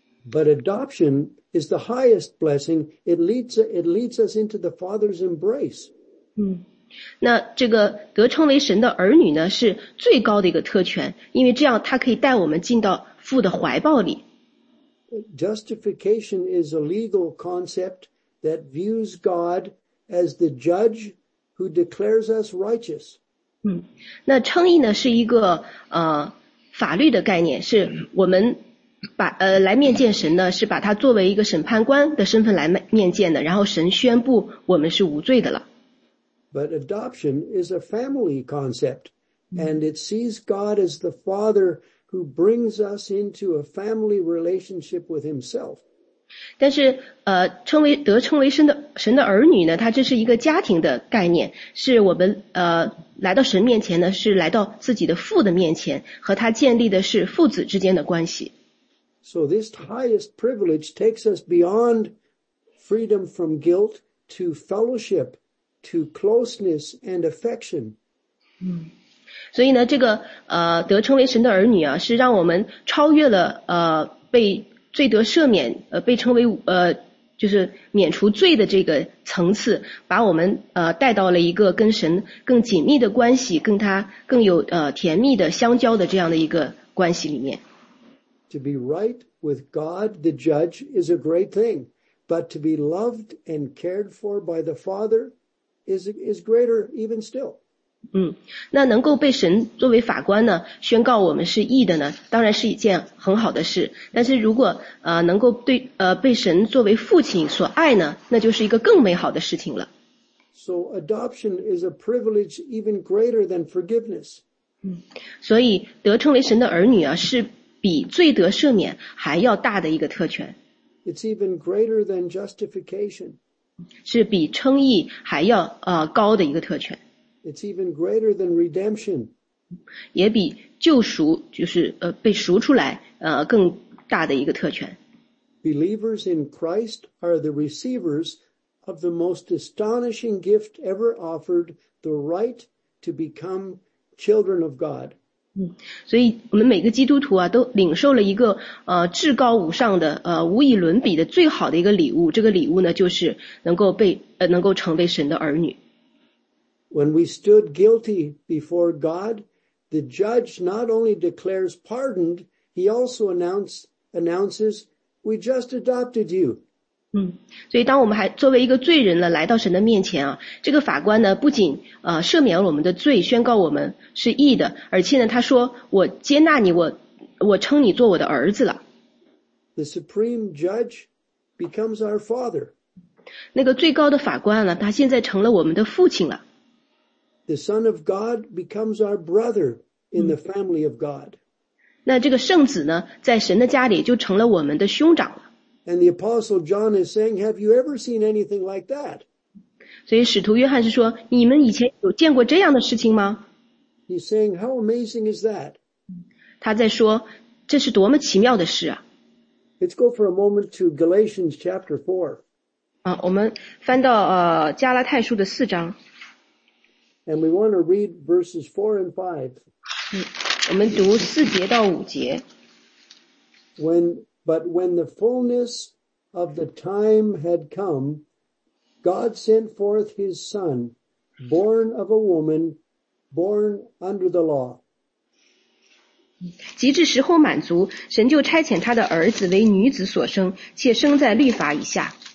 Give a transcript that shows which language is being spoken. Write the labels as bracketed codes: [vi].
[en] But adoption is the highest blessing. It leads us into the Father's embrace. [zh] 那这个得称为神的儿女呢是最高的一个特权，因为这样他可以带我们进到父的怀抱里。 [en] Justification is a legal concept that views God as the judge who declares us righteous. [zh] 那称义呢是一个法律的概念，是我们来面见神呢，是把他作为一个审判官的身份来面见的，然后神宣布我们是无罪的了。 [en] But adoption is a family concept, and it sees God as the father who brings us into a family relationship with himself. [zh] 但是称为神的儿女呢，它这是一个家庭的概念，是我们来到神面前呢，是来到自己的父的面前，和他建立的是父子之间的关系。 [en] So this highest privilege takes us beyond freedom from guilt to fellowship, to closeness and affection. [zh] 所以呢，这个得称为神的儿女啊，是让我们超越了被罪得赦免，被称为就是免除罪的这个层次，把我们带到了一个跟神更紧密的关系，跟他更有甜蜜的相交的这样的一个关系里面。 [en] To be right with God the judge is a great thing, but to be loved and cared for by the Father is greater even still. [zh] 那能够被神作为法官呢宣告我们是义的呢，当然是一件很好的事，但是如果能够对被神作为父亲所爱呢，那就是一个更美好的事情了。 [en] So adoption is a privilege even greater than forgiveness. [zh] 所以得称为神的儿女啊，是比罪得赦免还要大的一个特权。 [en] It's even greater than justification. [zh] 是比称义还要高的一个特权。 [en] It's even greater than redemption. [zh] 也比救赎，就是被赎出来更大的一个特权。 [en] Believers in Christ are the receivers of the most astonishing gift ever offered, the right to become children of God. [zh] 所以我们每个基督徒啊都领受了一个至高无上的无以伦比的最好的一个礼物，这个礼物呢就是能够成为神的儿女。 [en] When we stood guilty before God, the judge not only declares pardoned, he also announces, we just adopted you. [zh] 所以当我们还作为一个罪人呢来到神的面前啊，这个法官呢不仅赦免了我们的罪，宣告我们是义的，而且呢他说我接纳你，我称你做我的儿子了。 [en] The supreme judge becomes our father. [zh] 那个最高的法官呢，他现在成了我们的父亲了。 [en] The Son of God becomes our brother in the family of God. [zh] 那这个圣子呢，在神的家里就成了我们的兄长了。 [en] And the Apostle John is saying, "Have you ever seen anything like that?" [zh] 所以使徒约翰是说，你们以前有见过这样的事情吗？ [en] He's saying, "How amazing is that?" [zh] 他在说，这是多么奇妙的事啊！ [en] Let's go for a moment to Galatians chapter 4. [zh] 我们翻到加拉太书的四章。 [en] And we want to read verses 4 and 5. [zh] 我们读四节到五节。 [en] But when the fullness of the time had come, God sent forth his son, born of a woman, born under the law. [zh] 及至时候满足，神就差遣他的儿子为女子所生，且生在律法以下。